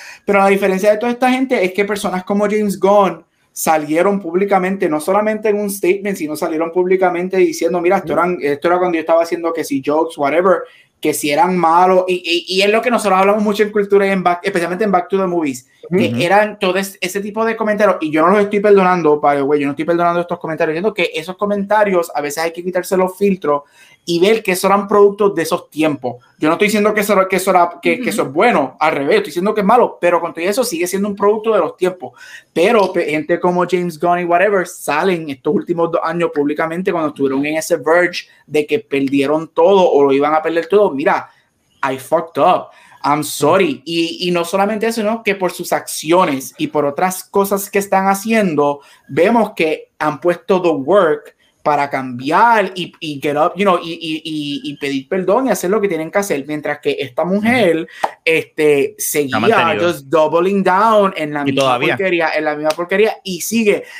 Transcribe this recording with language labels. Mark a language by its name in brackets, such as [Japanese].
[Spanish] Pero la diferencia de toda esta gente es que personas como James Gunn salieron públicamente, no solamente en un statement, sino salieron públicamente diciendo, mira, esto era cuando yo estaba haciendo que si jokes, whatever, que si eran malos, y es lo que nosotros hablamos mucho en cultura, y en back, especialmente en Back to the Movies, que eran todo ese tipo de comentarios, y yo no los estoy perdonando, para güey, yo no estoy perdonando estos comentarios, diciendo que esos comentarios, a veces hay que quitarse los filtros, y ver que eso eran productos de esos tiempos. Yo no estoy diciendo que eso es bueno, al revés, estoy diciendo que es malo, pero con todo eso sigue siendo un producto de los tiempos. Pero gente como James Gunn y whatever salen estos últimos 2 años públicamente cuando estuvieron en ese verge de que perdieron todo o lo iban a perder todo. [English] Mira, I fucked up, I'm sorry. [Spanish] Y no solamente eso, ¿no? Que por sus acciones y por otras cosas que están haciendo, vemos que han puesto [English] the work [Spanish] para cambiar y [English] get up, you know, [Spanish] y pedir perdón y hacer lo que tienen que hacer, mientras que esta mujer seguía [English] just doubling down [Spanish] en la misma porquería, y sigue.